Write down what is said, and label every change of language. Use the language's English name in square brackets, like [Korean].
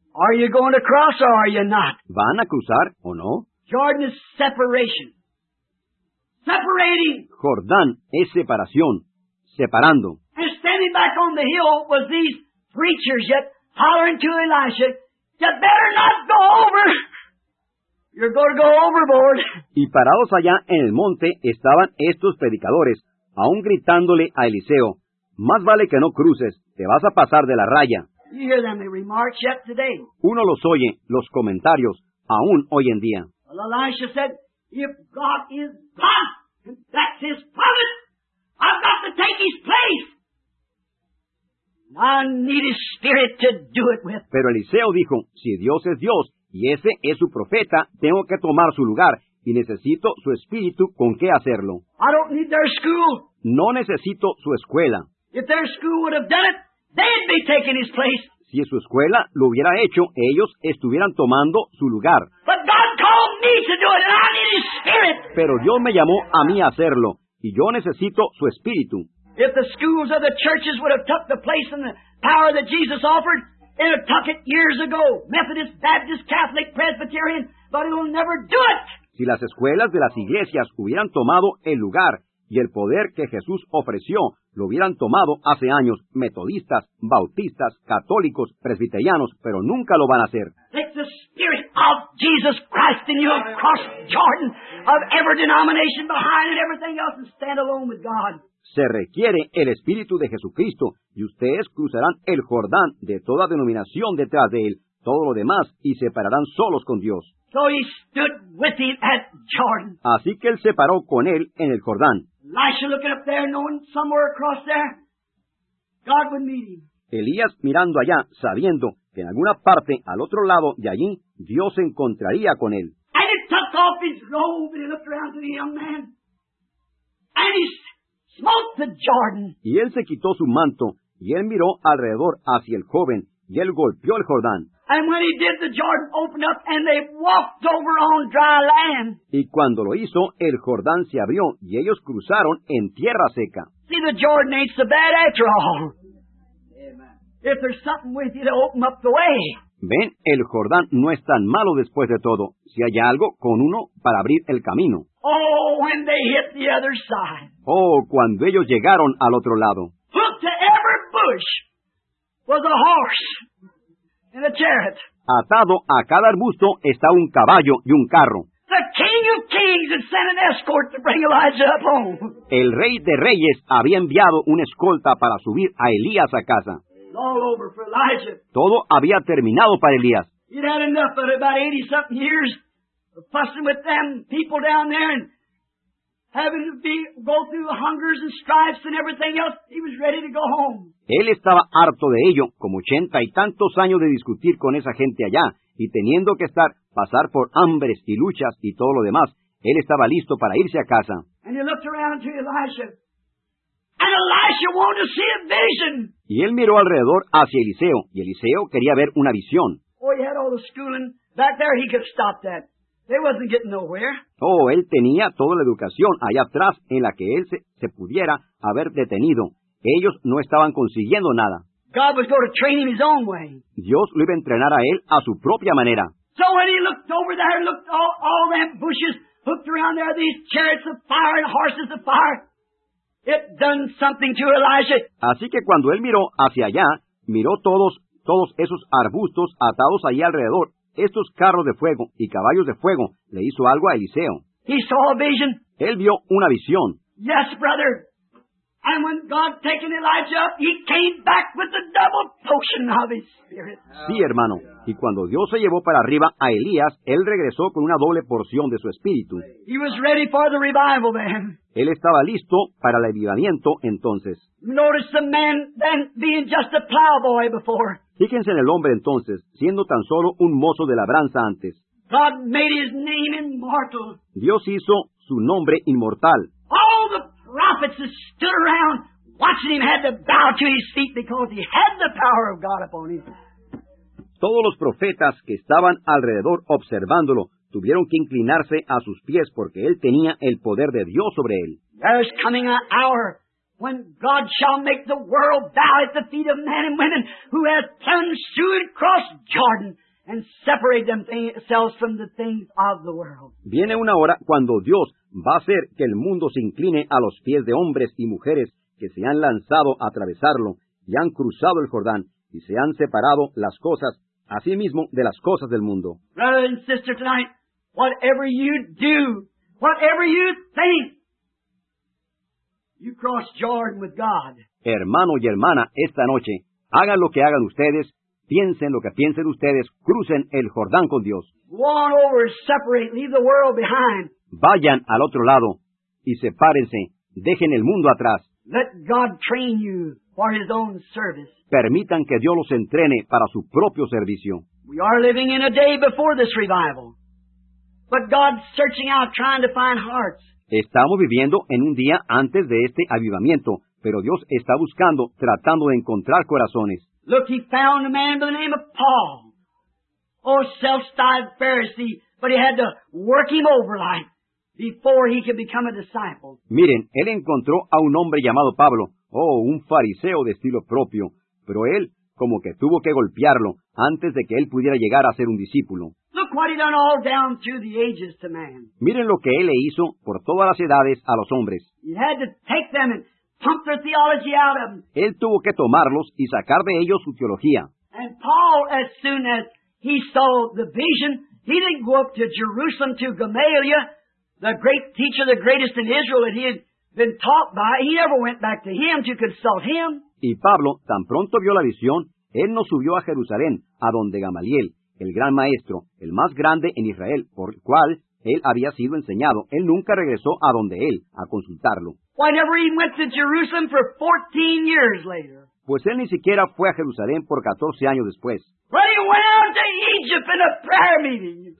[English] Are you going to cross or are you not? [Spanish] ¿Van a cruzar o no? [English] Jordan is separation. Separating. [Spanish] Jordán es separación, separando. [English] And standing back on the hill was these preachers yet hollering to Elisha, "You better not go over. You're going to go overboard." [Spanish] Y parados allá en el monte estaban estos predicadores, aún gritándole a Eliseo, "Más vale que no cruces, te vas a pasar de la raya." [English] You hear them, they remark yet today. [Spanish] Uno los oye, los comentarios, aún hoy en día. [English] Well, Elisha said, "If God is God, and that's his promise, I've got to take his place. I need his spirit to do it with." [Spanish] Pero Eliseo dijo, "Si Dios es Dios, y ese es su profeta, tengo que tomar su lugar, y necesito su espíritu con qué hacerlo. [English] I don't need their school. [Spanish] No necesito su escuela. [English] If their school would have done it, they'd be taking his place. [Spanish] Si su escuela lo hubiera hecho, ellos estuvieran tomando su lugar. [English] But God called me to do it, and I need his spirit. [Spanish] Pero Dios me llamó a mí a hacerlo, y yo necesito su espíritu. [English] If the schools of the churches would have took the place and the power that Jesus offered, it would took it years ago, Methodist, Baptist, Catholic, Presbyterian, but it will never do it. [Spanish] Si las escuelas de las iglesias hubieran tomado el lugar y el poder que Jesús ofreció, lo hubieran tomado hace años, metodistas, bautistas, católicos, presbiterianos, pero nunca lo van a hacer. [English] Take the spirit of Jesus Christ and you'll cross Jordan of every denomination behind and everything else and stand alone with God. [Spanish] Se requiere el Espíritu de Jesucristo, y ustedes cruzarán el Jordán de toda denominación detrás de él, todo lo demás, y se pararán solos con Dios. [English] So he stood with him at Jordan. [Spanish] Así que él se paró con él en el Jordán. [English] Elisha looking up there, knowing somewhere across there, God would meet him. [Spanish] Elías mirando allá, sabiendo que en alguna parte al otro lado de allí, Dios se encontraría con él. [English] And he took off his robe and he looked around to the young man. And he smote the Jordan. [Spanish] Y él se quitó su manto, y él miró alrededor hacia el joven, y él golpeó el Jordán. [English] And when he did, the Jordan opened up, and they walked over on dry land. [Spanish] Y cuando lo hizo, el Jordán se abrió, y ellos cruzaron en tierra seca. [English] See, the Jordan ain't so bad after all. Amen. If there's something with you to open up the way. [Spanish] Ven, el Jordán no es tan malo después de todo, si hay algo con uno para abrir el camino. [English] Oh, when they hit the other side. [Spanish] Oh, cuando ellos llegaron al otro lado. [English] Hooked to every bush was a horse and a chariot. [Spanish] Atado a cada arbusto está un caballo y un carro. [English] The King of Kings had sent an escort to bring Elijah up home. [Spanish] El Rey de Reyes había enviado una escolta para subir a Elías a casa. [English] All over for Elijah. [Spanish] Todo había terminado para Elías. [English] He'd had enough of about 80-something years of fussing with them people down there and having to go through hungers and strifes and everything else. He was ready to go home. [Spanish] Él estaba harto de ello, como 80 y tantos años de discutir con esa gente allá y teniendo que estar, pasar por hambres y luchas y todo lo demás. Él estaba listo para irse a casa. [English] And he looked around to Elisha. And Elisha wanted to see a vision. [Spanish] Y él miró alrededor hacia Eliseo, y Eliseo quería ver una visión. [English] Oh, he had all the schooling back there. He could stop that. They wasn't getting nowhere. [Spanish] Oh, él tenía toda la educación allá atrás en la que él se pudiera haber detenido. Ellos no estaban consiguiendo nada. [English] God was going to train him his own way. [Spanish] Dios lo iba a entrenar a él a su propia manera. [English] So when he looked over there, looked all them bushes hooked around there, these chariots of fire and horses of fire, It done something to Elijah. [Spanish] Así que cuando él miró hacia allá, miró todos esos arbustos atados ahí alrededor, estos carros de fuego y caballos de fuego, le hizo algo a Eliseo. [English] He saw a vision. [Spanish] Él vio una visión. [English] Yes, brother. And when God taken Elijah up, he came back with the double portion of his spirit. [Spanish] Sí, hermano. Y cuando Dios se llevó para arriba a Elías, él regresó con una doble porción de su espíritu. [English] He was ready for the revival then. [Spanish] Él estaba listo para el avivamiento entonces. [English] Notice the man then being just a plowboy before. [Spanish] Fíjense en el hombre entonces, siendo tan solo un mozo de labranza antes. [English] God made his name immortal. [Spanish] Dios hizo su nombre inmortal. [English] All the prophets that stood around watching him had to bow to his feet because he had the power of God upon him. [Spanish] Todos los profetas que estaban alrededor observándolo tuvieron que inclinarse a sus pies porque él tenía el poder de Dios sobre él. [English] There is coming an hour when God shall make the world bow at the feet of men and women who have plunged through and crossed Jordan and separate themselves from the things of the world. [Spanish] Viene una hora cuando Dios va a hacer que el mundo se incline a los pies de hombres y mujeres que se han lanzado a atravesarlo y han cruzado el Jordán y se han separado las cosas así mismo de las cosas del mundo. [English] Brother and sister tonight, whatever you do, whatever you think, you cross Jordan with God. [Spanish] Hermano y hermana, esta noche, hagan lo que hagan ustedes, piensen lo que piensen ustedes, crucen el Jordán con Dios. [English] Walk over, separate, leave the world behind. [Spanish] Vayan al otro lado y sepárense, dejen el mundo atrás. [English] Let God train you for his own service. [Spanish] Permitan que Dios los entrene para su propio servicio. [English] We are living in a day before this revival, but God's searching out, trying to find hearts. [Spanish] Estamos viviendo en un día antes de este avivamiento, pero Dios está buscando, tratando de encontrar corazones. [English] Look, he found a man by the name of Paul, or self-styled Pharisee, but he had to work him over like before he could become a disciple. [Spanish] Miren, él encontró a un hombre llamado Pablo, un fariseo de estilo propio, pero él como que tuvo que golpearlo antes de que él pudiera llegar a ser un discípulo. [English] Look what he done all down through the ages to man. [Spanish] Miren lo que él le hizo por todas las edades a los hombres. [English] He had to take them and pump their theology out of them. [Spanish] Él tuvo que tomarlos y sacar de ellos su teología. [English] And Paul, as soon as he saw the vision, he didn't go up to Jerusalem to Gamaliel, the great teacher, the greatest in Israel that he had been taught by. He never went back to him to consult him. [Spanish] Y Pablo, tan pronto vio la visión, él no subió a Jerusalén, a donde Gamaliel, el gran maestro, el más grande en Israel, por el cual él había sido enseñado, él nunca regresó a donde él, a consultarlo. [English] Why never he went to Jerusalem for 14 years later? [Spanish] Pues él ni siquiera fue a Jerusalén por 14 años después. [English] But he went out to Egypt in a prayer meeting.